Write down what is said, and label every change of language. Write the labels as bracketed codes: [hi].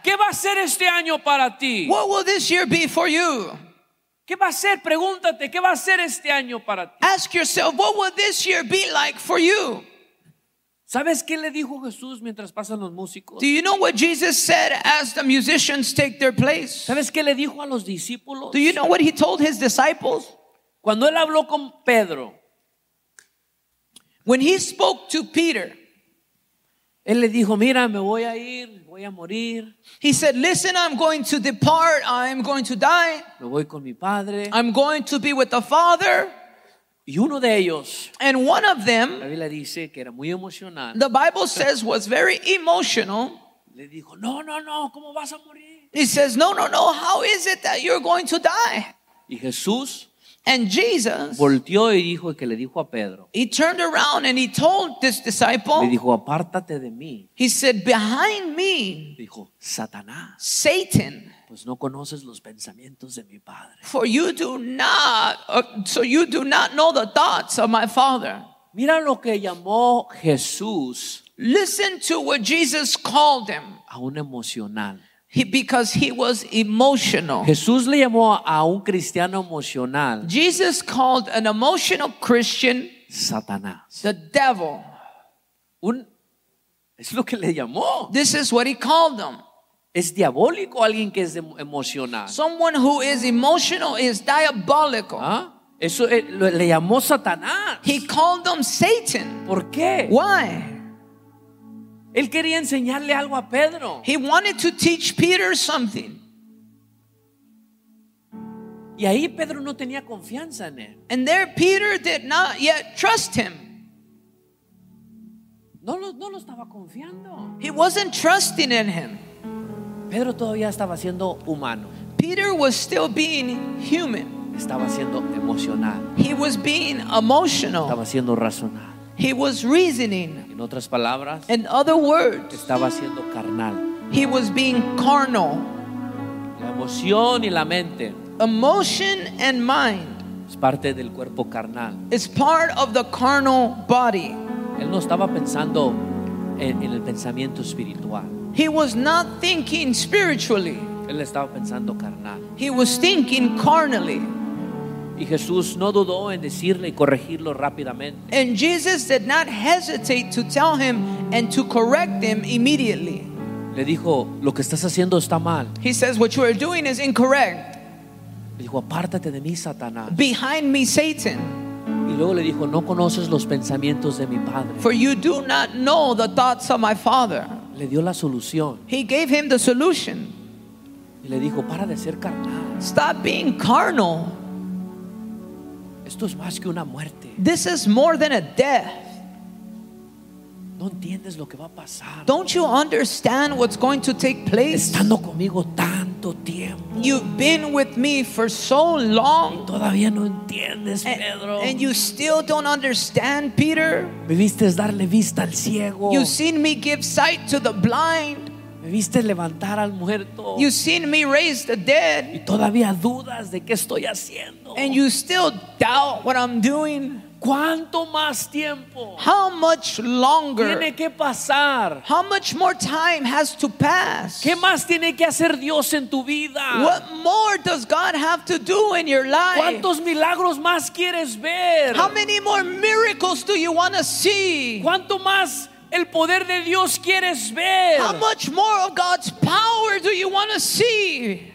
[es] ¿Qué va a ser este año para ti? [en] What will this year be for you? [es] ¿Qué va a ser? Pregúntate, ¿qué va a ser este año para ti? [en] Ask yourself, what will this year be like for you? [es] ¿Sabes qué le dijo Jesús mientras pasan los músicos? [en] Do you know what Jesus said as the musicians take their place? [es] ¿Sabes qué le dijo a los discípulos? [en] Do you know what he told his disciples? [es] Cuando él habló con Pedro. [en] When he spoke to Peter. [es] Él le dijo, mira, me voy a ir, voy a morir. [en] He said, listen, I'm going to depart, I'm going to die. [es] Me voy con mi padre. [en] I'm going to be with the Father. [es] Y uno de ellos, [en] and one of them, [es] la Biblia dice que era muy emocional. [en] The Bible says was very emotional. [es] Le dijo, no, no, no, ¿cómo vas a morir? [en] He says, no, no, no, how is it that you're going to die? [es] Y Jesús, [en] and Jesus, [es] volteó y dijo que le dijo a Pedro. [en] He turned around and he told this disciple. [es] Le dijo, apártate de mí. [en] He said, behind me. [es] Dijo, Satanás. [en] Satan. [es] Pues no conoces los pensamientos de mi padre. [en] For you do not, so you do not know the thoughts of my father. [es] Mira lo que llamó Jesús. [en] Listen to what Jesus called him. [es] A un emocional. [en] Because he was emotional. [es] Jesús le llamó a un cristiano emocional. [en] Jesus called an emotional Christian [es] Satanás. [en] The devil. [es] Es lo que le llamó. [en] This is what he called them. [es] Es diabólico alguien que es emocional. [en] Someone who is emotional is diabolical. [es] ¿Ah? Eso le llamó Satanás. [en] He called them Satan. [es] ¿Por qué? [en] Why? [es] Él quería enseñarle algo a Pedro. [en] He wanted to teach Peter something. [es] Y ahí Pedro no tenía confianza en él. [en] And there Peter did not yet trust him. [es] No lo estaba confiando. [en] He wasn't trusting in him. [es] Pedro todavía estaba siendo humano. [en] Peter was still being human. [es] Estaba siendo emocional. [en] He was being emotional. [es] Estaba siendo racional. [en] He was reasoning. [es] En otras palabras, [en] in other words, [es] estaba siendo carnal. [en] He was being carnal. [es] La emoción y la mente. [en] Emotion and mind. [es] Es parte del cuerpo carnal. [en] It's part of the carnal body. [es] Él no estaba pensando en el pensamiento espiritual. [en] He was not thinking spiritually. [es] Él estaba pensando carnal. [en] He was thinking carnally. [es] Y Jesús no dudó en decirle y corregirlo rápidamente. [en] And Jesus did not hesitate to tell him and to correct him immediately. [es] Le dijo, lo que estás haciendo está mal. [en] He says, what you are doing is incorrect. [es] Le dijo, apártate de mí, Satanás. [en] Behind me, Satan. [es] Y luego le dijo, no conoces los pensamientos de mi padre. [en] For you do not know the thoughts of my father. [es] Le dio la solución. [en] He gave him the solution. [es] Y le dijo, para de ser carnal. [en] Stop being carnal. [es] Esto es más que una muerte. [en] This is more than a death. [es] No entiendes lo que va a pasar. [en] Don't you understand what's going to take place? [es] Estando conmigo tanto tiempo. [en] You've been with me for so long. [es] Y todavía no entiendes, Pedro. [en] And you still don't understand, Peter. [es] Me viste darle vista al ciego. [en] You've seen me give sight to the blind. [es] Me viste levantar al muerto. [en] You've seen me raise the dead. [es] Y todavía dudas de qué estoy haciendo. [en] And you still doubt what I'm doing. [es] ¿Cuánto más tiempo? [en] How much longer? [es] Tiene que pasar. [en] How much more time has to pass? [es] ¿Qué más tiene que hacer Dios en tu vida? [en] What more does God have to do in your life? [es] ¿Cuántos milagros más quieres ver? [en] How many more miracles do you want to see? [es] ¿Cuánto más el poder de Dios quieres ver? [en] How much more of God's power do you want to see?